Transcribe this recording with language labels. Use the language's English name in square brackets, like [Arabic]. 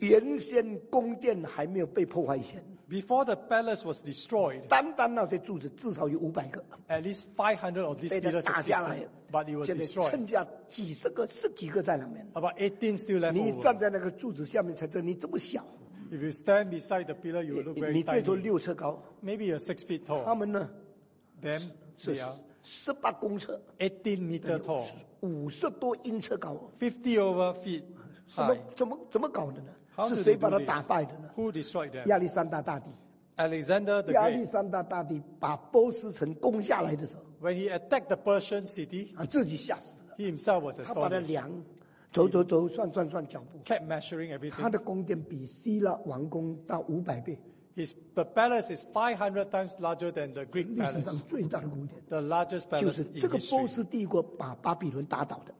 [Chinese] 原先宫殿还没有被破坏前。 [English] Before the palace was destroyed. [Chinese] 单单那些柱子至少有500个。 [English] At least 500 of these pillars existed. [Chinese] 被打下来。 [English] But it was destroyed. [Chinese] 现在剩下几十个、十几个在里面。 [English] About 18 still left over. [Chinese] 你站在那个柱子下面才知道你这么小。 [English] If you stand beside the pillar, you look very tiny. [Chinese] 你最多六尺高。 [English] Maybe you're 6 feet tall. [Chinese] 他们呢 [English] ？Them, they are [Chinese] 18公尺 [English] ，18 meter tall， [Chinese] 50多英尺高 [English] ，50 over feet high. [Chinese] 怎么搞的呢？是谁把他打败的呢 [English] ？Who destroyed them? [Chinese] 亚历山大大帝 [English] ，Alexander the Great. [Chinese] 亚历山大大帝把波斯城攻下来的时候 [English] ，When he attacked the Persian city, [Chinese] 自己吓死了。 [English] He himself was astonished. [Chinese] 他把他量。走算脚步。 [English] Kept measuring everything. [Chinese] 他的宫殿比希腊王宫大500倍。 [English] The palace is 500 times larger than the Greek palace. [Chinese] 历史上最大的宫殿。 [English] The largest palace in history. [Chinese] 就是这个波斯帝国把巴比伦打倒的。